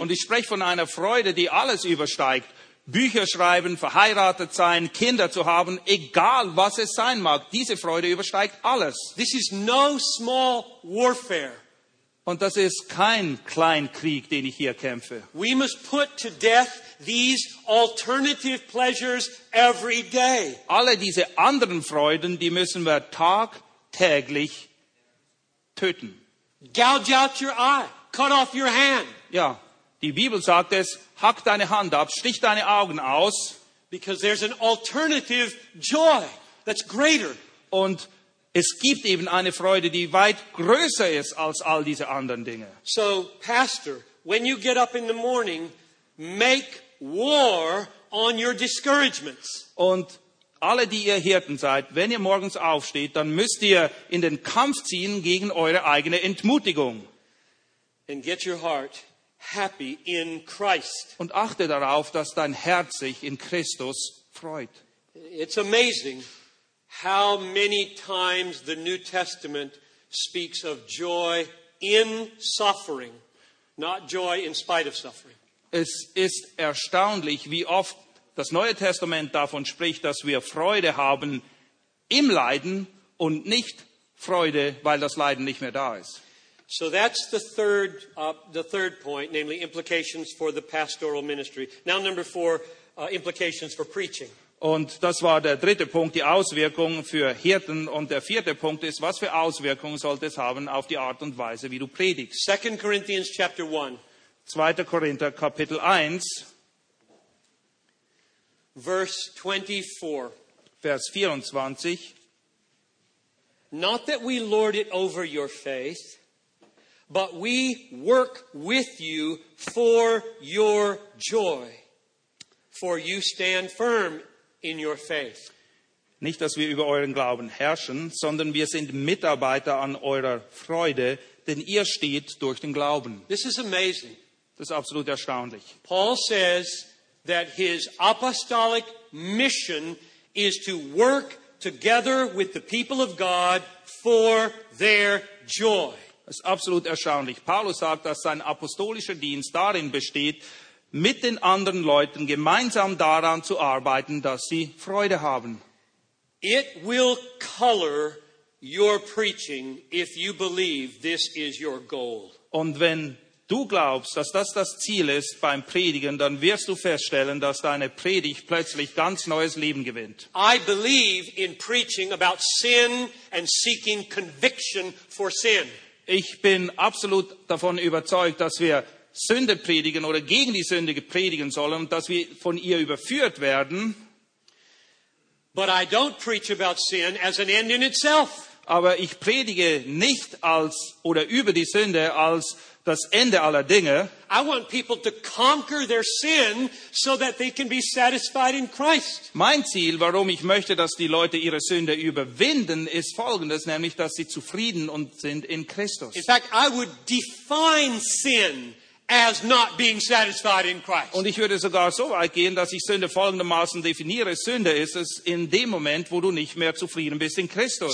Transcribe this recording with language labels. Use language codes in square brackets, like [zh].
[de] Und ich spreche von einer Freude, die alles übersteigt. Bücher schreiben, verheiratet sein, Kinder zu haben, egal was es sein mag. Diese Freude übersteigt alles. [en] This is no small warfare. [de] Und das ist kein Kleinkrieg, den ich hier kämpfe. [en] We must put to death these alternative pleasures every day. [de] Alle diese anderen Freuden, die müssen wir tagtäglich töten. [en] Gouge out your eye, cut off your hand. [de] Ja, die Bibel sagt es, hack deine Hand ab, stich deine Augen aus. [en] Because there's an alternative joy. that's greater. [de] Und es gibt eben eine Freude, die weit größer ist als all diese anderen Dinge. [en] So, Pastor, when you get up in the morning, make war on your discouragements. [de] Und alle, die ihr Hirten seid, wenn ihr morgens aufsteht, dann müsst ihr in den Kampf ziehen gegen eure eigene Entmutigung. [en] And get your heart happy in Christ. [de] Und achte darauf, dass dein Herz sich in Christus freut. [en] It's amazing how many times the New Testament speaks of joy in suffering, not joy in spite of suffering. [de] Es ist erstaunlich, wie oft das Neue Testament davon spricht, dass wir Freude haben im Leiden und nicht Freude, weil das Leiden nicht mehr da ist. [en] So that's the third point, namely implications for the pastoral ministry. Now number four, implications for preaching. [de] Und das war der dritte Punkt, die Auswirkungen für Hirten. Und der vierte Punkt ist, was für Auswirkungen sollte es haben auf die Art und Weise, wie du predigst. [en] 2. Corinthians chapter 1. [de] 2. Korinther Kapitel 1. [en] Verse 24. [de] Vers 24. [en] Not that we lord it over your faith, but we work with you for your joy. For you stand firm in your faith. [de] Nicht, dass wir über euren Glauben herrschen, sondern wir sind Mitarbeiter an eurer Freude, denn ihr steht durch den Glauben. [en] This is amazing. [de] Das ist absolut erstaunlich. [en] Paul says that his apostolic mission is to work together with the people of God for their joy. [de] Das ist absolut erstaunlich. Paulus sagt, dass sein apostolischer Dienst darin besteht, mit den anderen Leuten gemeinsam daran zu arbeiten, dass sie Freude haben. [en] It will color your preaching if you believe this is your goal. [de] Und wenn du glaubst, dass das Ziel ist beim Predigen, dann wirst du feststellen, dass deine Predigt plötzlich ganz neues Leben gewinnt. [en] I believe in preaching about sin and seeking conviction for sin. [de] Ich bin absolut davon überzeugt, dass wir Sünde predigen oder gegen die Sünde predigen sollen und dass wir von ihr überführt werden. [en] But I don't preach about sin as an end in itself. [de] Aber ich predige nicht als oder über die Sünde als das Ende aller Dinge. [en] I want people to conquer their sin so that they can be satisfied in Christ. [de] Mein Ziel, warum ich möchte, dass die Leute ihre Sünde überwinden, ist folgendes, nämlich dass sie zufrieden und sind in Christus. [en] In fact, I would define sin as not being satisfied in Christ. [de] Und ich würde sogar so weit gehen, dass ich Sünde folgendermaßen definiere. Sünde ist es in dem Moment, wo du nicht mehr zufrieden bist in Christus.